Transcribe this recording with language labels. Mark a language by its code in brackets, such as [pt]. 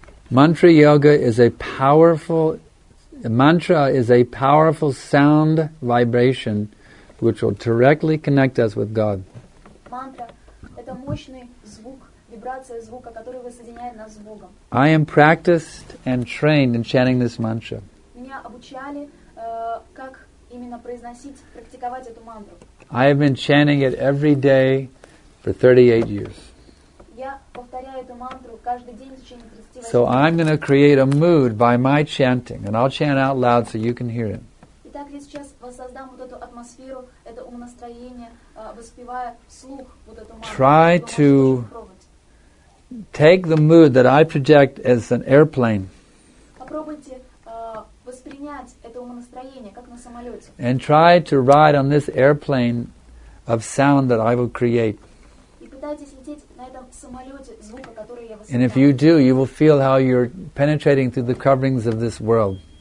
[en] Mantra yoga is a powerful, mantra is a powerful sound vibration which will directly connect us with God. [ru] Mantra – это мощный звук, вибрация звука, который воссоединяет нас с Богом. [en] I am practiced and trained in chanting this mantra. [ru] Меня обучали, как именно произносить, практиковать эту мантру. [en] I have been chanting it every day for 38 years. [ru] Я повторяю эту мантру каждый день в течение 38 лет. [en] So I'm going to create a mood by my chanting, and I'll chant out loud so you can hear it. [ru] Итак, я сейчас воссоздам вот эту атмосферу, это умонастроение, воспевая вслух вот эту мантру. [en] Try to take the mood that I project as an airplane. [ru] Попробуйте воспринять это умонастроение как на самолете. [en] And try to ride on this airplane of sound that I will create. [ru] И пытайтесь лететь на этом самолете звука, который я воспринял. [en] And if you do, you will feel how you're penetrating through the coverings of this world.